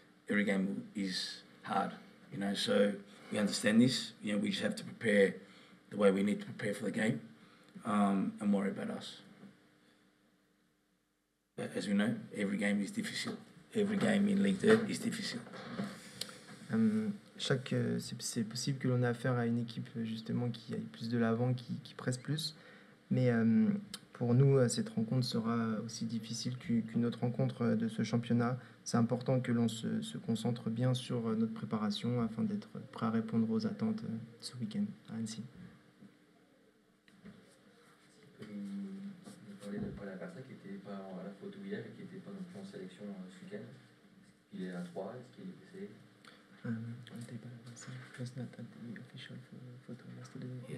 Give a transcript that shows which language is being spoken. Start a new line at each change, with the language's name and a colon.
English: Every game is hard, you know, so we understand this. You know, we just have to prepare the way we need to prepare for the game and worry about us. But as we know, every game is difficult. Every game in Ligue 2 is difficult.
French: C'est possible que l'on ait affaire à une équipe justement qui aille plus de l'avant, qui presse plus. Mais pour nous, cette rencontre sera aussi difficile qu'une autre rencontre de ce championnat. C'est important que l'on se concentre bien sur notre préparation afin d'être prêt à répondre aux attentes ce week-end à Annecy. Est-ce que vous parlez de Paul Aperta qui n'était pas à la photo hier et qui n'était pas non plus en sélection ce week-end? Il est à 3, est-ce qu'il est blessé?
English: He was not at the official photo yesterday, yeah.